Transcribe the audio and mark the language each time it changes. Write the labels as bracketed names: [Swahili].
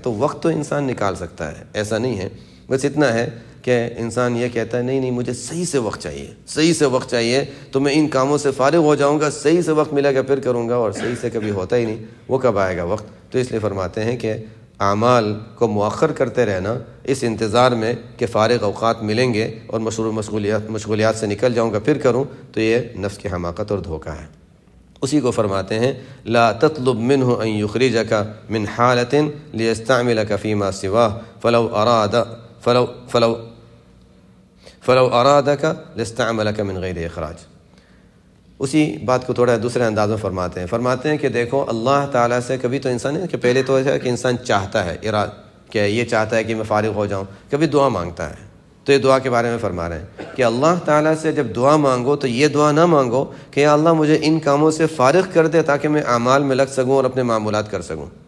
[Urdu] تو وقت تو انسان نکال سکتا ہے، ایسا نہیں ہے. بس اتنا ہے کہ انسان یہ کہتا ہے نہیں نہیں مجھے صحیح سے وقت چاہیے، صحیح سے وقت چاہیے تو میں ان کاموں سے فارغ ہو جاؤں گا، صحیح سے وقت ملے گا پھر کروں گا، اور صحیح سے کبھی ہوتا ہی نہیں، وہ کب آئے گا وقت. تو اس لیے فرماتے ہیں کہ اعمال کو مؤخر کرتے رہنا اس انتظار میں کہ فارغ اوقات ملیں گے اور مشروع مشغولیات سے نکل جاؤں گا پھر کروں، تو یہ نفس کی حماقت اور دھوکہ ہے. اسی کو فرماتے ہیں [Arabic] لا تطلب منه ان يخرجك من حالة ليستعملك فيما سواه فلو ارادك لاستعملك من غير اخراج. [Urdu] اسی بات کو تھوڑا دوسرے انداز میں فرماتے ہیں، فرماتے ہیں کہ دیکھو اللہ تعالیٰ سے کبھی تو انسان ہے کہ پہلے تو ہے کہ انسان چاہتا ہے اراد کہ یہ چاہتا ہے کہ میں فارغ ہو جاؤں، کبھی دعا مانگتا ہے. تو یہ دعا کے بارے میں فرما رہے ہیں کہ اللہ تعالیٰ سے جب دعا مانگو تو یہ دعا نہ مانگو کہ اللہ مجھے ان کاموں سے فارغ کر دے تاکہ میں اعمال میں لگ سکوں اور اپنے معمولات کر سکوں.